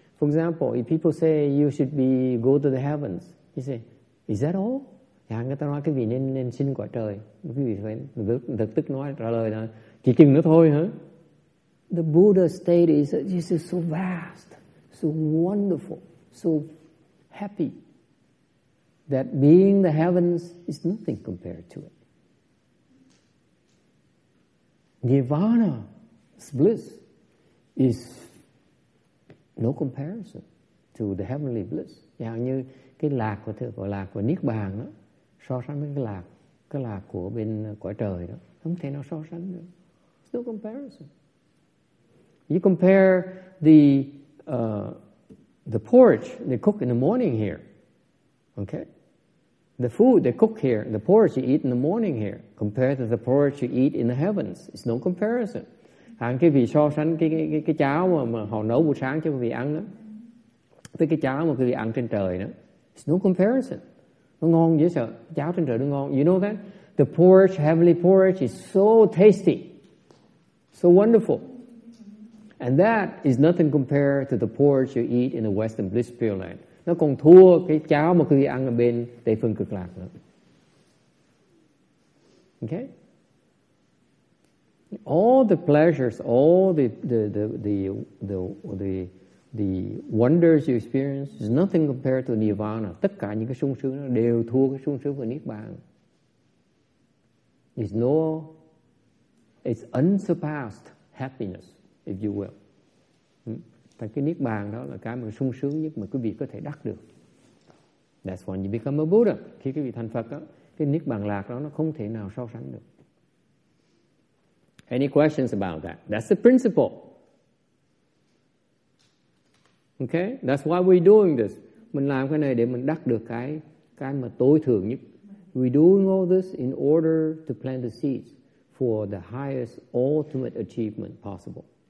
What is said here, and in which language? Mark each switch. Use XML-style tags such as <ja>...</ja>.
<en>For example, if people say you should be go to the heavens, you say, is that all?</en> <vi>Yeah, người ta nói cái vị nên xin quả trời. Quý vị phải lập tức nói trả lời là chỉ chừng đó thôi hả?</vi> <en>The Buddha state is so vast, so wonderful, so happy that being the heavens is nothing compared to it. Nirvana, bliss, is no comparison to the heavenly bliss.</en> <vi>Dạ như cái lạc của thượng, gọi lạc của Niết Bàn đó, so sánh với cái lạc của bên cõi trời đó, không thể nào so sánh được.</vi> <en>It's no comparison. You compare the porridge they cook in the morning here, okay? The food they cook here, the porridge you eat in the morning here, compared to the porridge you eat in the heavens, it's no comparison.</en> <vi>Hàng cái vị so sánh cái cháo mà họ nấu buổi sáng cho quý vị ăn đó với cái cháo mà quý vị ăn trên trời đó,</vi> <en>it's no comparison.</en> <vi>Nó ngon dễ sợ, cháo trên trời nó ngon.</vi> <en>You know that? The porridge, heavenly porridge is so tasty, so wonderful. And that is nothing compared to the porridge you eat in the Western Bliss Pure Land.</en> <vi>Nó còn thua cái cháo mà quý vị ăn ở bên Tây Phương Cực Lạc nữa.</vi> <en>Okay? All the pleasures, all the wonders you experience is nothing compared to Nirvana.</en> <vi>Tất cả những cái sung sướng đó đều thua cái sung sướng của Niết Bàn.</vi> <en>It's unsurpassed happiness, if you will.</en> <vi>Tại cái Niết Bàn đó là cái mà sung sướng nhất mà quý vị có thể đắc được.</vi> <en>That's when you become a Buddha.</en> <vi>Khi quý vị thành Phật đó, cái Niết Bàn lạc đó nó không thể nào so sánh được.</vi> <en>Any questions about that? That's the principle. Okay? That's why we're doing this.</en> <vi>Mình làm cái này để mình đắc được cái mà tối thượng nhất.</vi> <en>We're doing all this in order to plant the seeds for the highest ultimate achievement possible.</en>